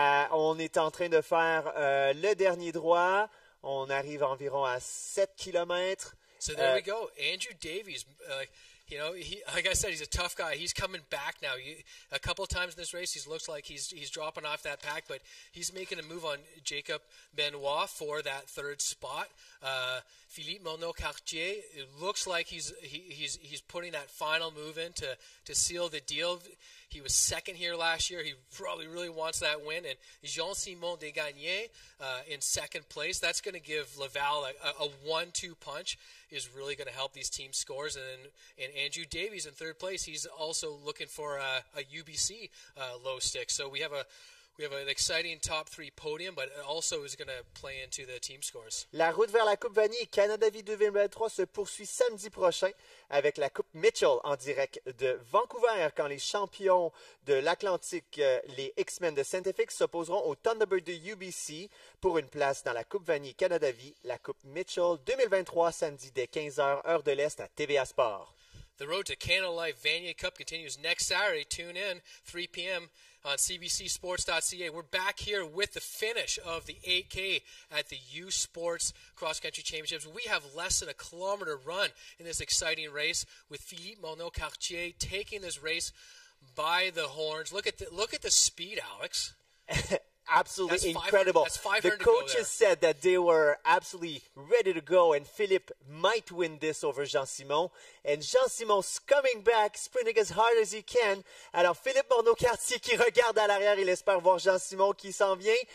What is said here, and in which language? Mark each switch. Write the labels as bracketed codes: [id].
[fr] On est en train de faire le dernier droit. On arrive environ à 7 kilomètres. [en] So there we go. Andrew Davies, you know, like I said, he's a tough guy. He's coming back now. A couple times in this race, he looks like he's dropping off that pack, but he's making a move on Jacob Benoit for that third spot. Philippe Morneau-Cartier, it looks like he's putting that final move in to seal the deal. He was second here last year. He probably really wants that win. And Jean-Simon Desgagnés in second place. That's going to give Laval a 1-2 punch. Is really going to help these team scores. And Andrew Davies in third place. He's also looking for a UBC low stick. So we have an exciting top three podium, but it also is going to play into the team scores. [fr] La route vers la Coupe Vanier et Canada Vie 2023 se poursuit samedi prochain avec la Coupe Mitchell en direct de Vancouver, quand les champions de l'Atlantique, les X-Men de Saint-Effix, s'opposeront aux Thunderbirds de UBC pour une place dans la Coupe Vanier et Canada Vie, la Coupe Mitchell 2023, samedi dès 15h, heure de l'Est à TVA Sports. [en] The road to Canada Life Vanier Cup continues next Saturday. Tune in, 3 p.m. on cbcsports.ca. We're back here with the finish of the 8K at the U Sports Cross Country Championships. We have less than a kilometer run in this exciting race with Philippe Morneau-Cartier taking this race by the horns. Look at the speed, Alex. Absolutely, that's incredible. The coaches said that they were absolutely ready to go, and Philippe might win this over Jean-Simon. And Jean-Simon's coming back, sprinting as hard as he can. [fr] Alors, Philippe Morneau-Cartier qui regarde à l'arrière, il espère voir Jean-Simon qui s'en vient.